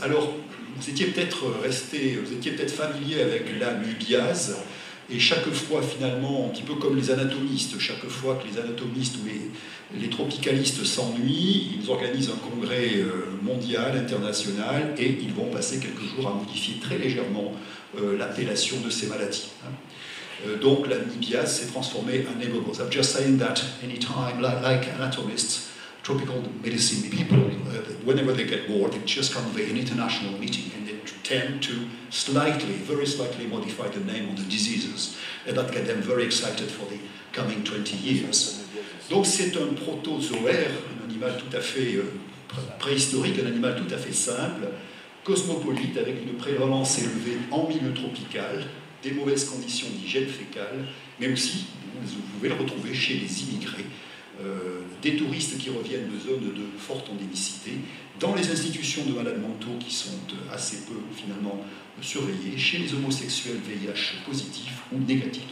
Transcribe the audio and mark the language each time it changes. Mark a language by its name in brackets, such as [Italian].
[French] Alors, vous étiez peut-être resté, vous étiez peut-être familier avec l'amubiase, et chaque fois finalement, un petit peu comme les anatomistes, chaque fois que les anatomistes ou les tropicalistes s'ennuient, ils organisent un congrès mondial, international, et ils vont passer quelques jours à modifier très légèrement l'appellation de ces maladies. Donc l'amubiase s'est transformée en amébose. [English] I'm just saying that anytime, like anatomists, tropical medicine people, whenever they get bored, they just convey an international meeting and they tend to slightly, very slightly modify the name of the diseases and that get them very excited for the coming 20 years. [French] Donc c'est un protozoaire, un animal tout à fait préhistorique, un animal tout à fait simple, cosmopolite, avec une prévalence élevée en milieu tropical, des mauvaises conditions d'hygiène fécale, mais aussi, vous pouvez le retrouver chez les immigrés, des touristes qui reviennent de zones de forte endémicité, dans les institutions de malades mentaux qui sont assez peu, finalement, surveillées, chez les homosexuels VIH positifs ou négatifs.